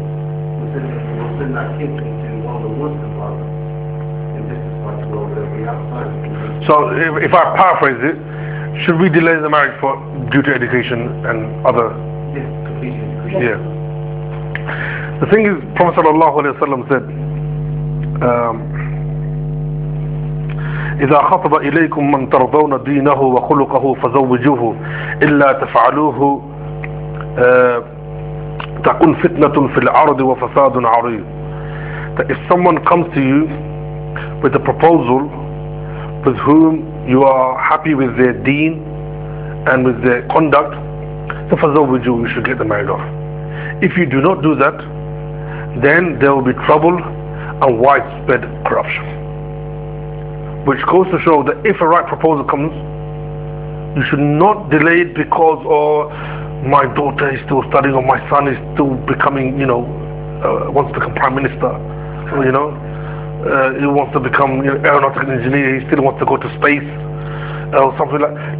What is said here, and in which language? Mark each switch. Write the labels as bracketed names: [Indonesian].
[English] We're sending that kid into one of the worst environments in this part of the world that we have. So, if I paraphrase it, should we delay the marriage for due to education and other? Yes, completing education. Yeah. The thing is, Prophet sallallahu alaihi wasallam said, [Arabic] إذا خطب إليكم من ترضون دينه وخلقه فزوجوه إلا تفعلوه تكون فتنة في الأرض وفساد عريض. [English] That if someone comes to you with a proposal with whom you are happy with their deen and with their conduct, [Arabic] فزوجوه, [English] you should get them married off. If you do not do that, then there will be trouble and widespread corruption, which goes to show that if a right proposal comes, you should not delay it because, oh, my daughter is still studying or my son is still becoming, you know, wants to become prime minister, or, you know, he wants to become, you know, aeronautical engineer, he still wants to go to space or something like that.